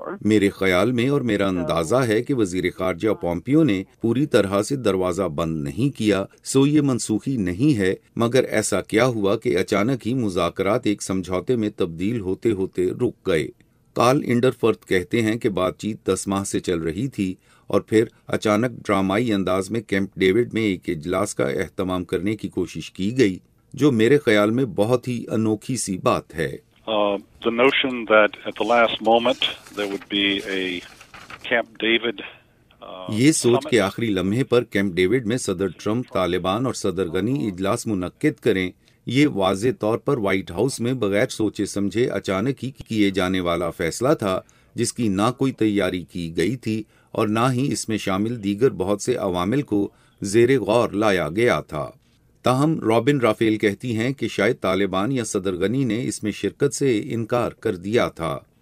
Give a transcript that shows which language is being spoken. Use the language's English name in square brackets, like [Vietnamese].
[Urdu] میرے خیال میں اور میرا اندازہ ہے کہ وزیر خارجہ پومپیو نے پوری طرح سے دروازہ بند نہیں کیا، سو یہ منسوخی نہیں ہے، مگر ایسا کیا ہوا کہ اچانک ہی مذاکرات ایک سمجھوتے میں تبدیل ہوتے ہوتے رک گئے۔ کارل انڈرفورتھ کہتے ہیں کہ بات چیت 10 ماہ سے چل رہی تھی اور پھر اچانک ڈرامائی انداز میں کیمپ ڈیوڈ میں ایک اجلاس کا اہتمام کرنے کی کوشش کی گئی، جو میرے خیال میں بہت ہی انوکھی سی بات ہے۔ [English] The notion that at the last moment there would be a Camp David [Urdu] یہ سوچ کے آخری لمحے پر کیمپ ڈیوڈ میں صدر ٹرمپ، طالبان اور صدر غنی اجلاس منعقد کریں، یہ واضح طور پر وائٹ ہاؤس میں بغیر سوچے سمجھے اچانک ہی کیے جانے والا فیصلہ تھا، جس کی نہ کوئی تیاری کی گئی تھی اور نہ ہی اس میں شامل دیگر بہت سے عوامل کو زیر غور لایا گیا تھا۔ تاہم رابن رافیل کہتی ہیں کہ شاید طالبان یا صدر غنی نے اس میں شرکت سے انکار کر دیا تھا،